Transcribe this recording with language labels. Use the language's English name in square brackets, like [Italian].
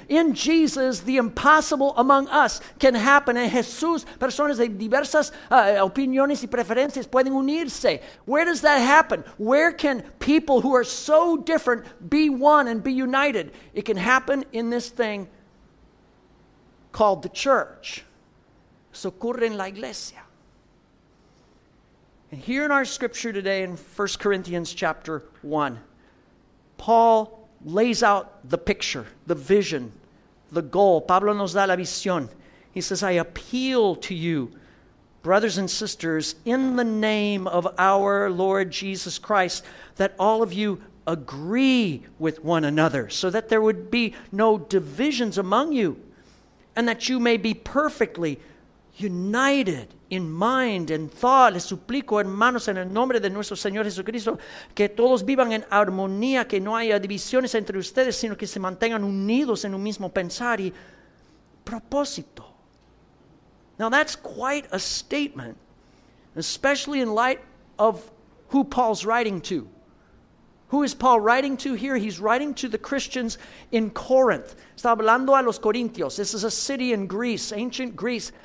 [English] In Jesus, the impossible among us can happen. [Spanish] En Jesús, personas de diversas opiniones y preferencias pueden unirse. [English] Where does that happen? Where can people who are so different be one and be united? It can happen in this thing called the church. [Spanish] Eso ocurre en la iglesia. [English] And here in our scripture today in 1 Corinthians chapter 1, Paul lays out the picture, the vision, the goal. [Spanish] Pablo nos da la visión. [English] He says, I appeal to you, brothers and sisters, in the name of our Lord Jesus Christ, that all of you agree with one another, so that there would be no divisions among you, and that you may be perfectly united in mind and thought. [Spanish] Les suplico, hermanos, en el nombre de nuestro Señor Jesucristo, que todos vivan en armonía, que no haya divisiones entre ustedes, sino que se mantengan unidos en un mismo pensar y propósito. [English] Now that's quite a statement, especially in light of who Paul's writing to. Who is Paul writing to here? He's writing to the Christians in Corinth. [Spanish] Está hablando a los Corintios. [English] This is a city in Greece, ancient Greece.